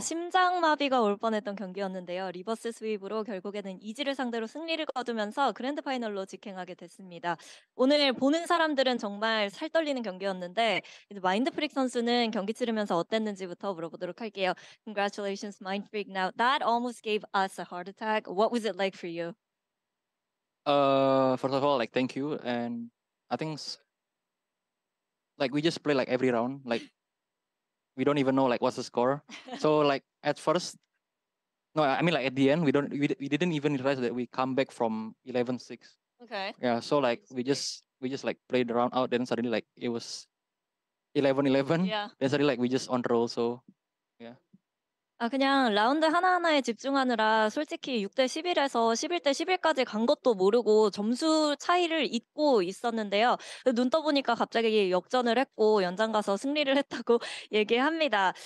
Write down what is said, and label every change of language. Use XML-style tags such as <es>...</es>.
<ko>심장마비가 올 뻔했던 경기였는데요. 리버스 스윕으로 결국에는 이지를 상대로 승리를 거두면서 그랜드 파이널로 직행하게 됐습니다. 오늘 보는 사람들은 정말 살 떨리는 경기였는데, 마인드프릭 선수는 경기 치르면서 어땠는지부터 물어보도록 할게요.</ko> <en>Congratulations, Mindfreak. Now, that almost gave us a heart attack. What was it like for you? First of all, like thank you, and I think like we just play like every round, like we don't even know like what's the score. So like at first, no, I mean like at the end, we didn't even realize that we come back from 11-6. Okay. Yeah, so like we just like played the round out, then suddenly like it was 11-11, Yeah. then suddenly like we just on roll. So yeah.</en> <ko>아, 그냥 라운드 하나하나에 집중하느라 솔직히 6대 11에서 11대 11까지 간 것도 모르고 점수 차이를 잊고 있었는데요. 눈 떠보니까 갑자기 역전을 했고 연장 가서 승리를 했다고 얘기합니다.</ko>